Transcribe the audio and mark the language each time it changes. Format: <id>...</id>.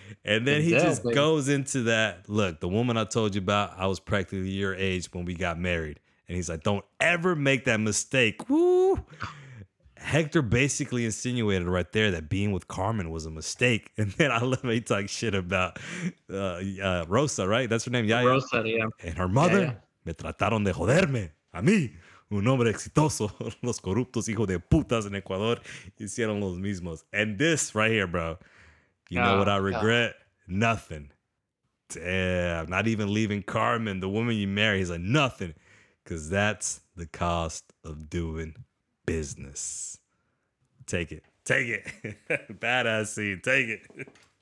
<en>And then he just goes into that, look, the woman I told you about, I was practically your age when we got married. And he's like, don't ever make that mistake. Woo! Hector basically insinuated right there that being with Carmen was a mistake. And then I love he talk shit about Rosa, right? That's her name, Yaya. Rosa, yeah. And her mother,</en> <es>me trataron de joderme a mí. Un hombre exitoso, los corruptos hijos de putas en Ecuador hicieron los mismos.</es> <en>And this right here, bro, you know what I regret? God. Nothing. Damn, not even leaving Carmen, the woman you marry. He's like, nothing, because that's the cost of doing business. Take it. Badass scene, take it.</en>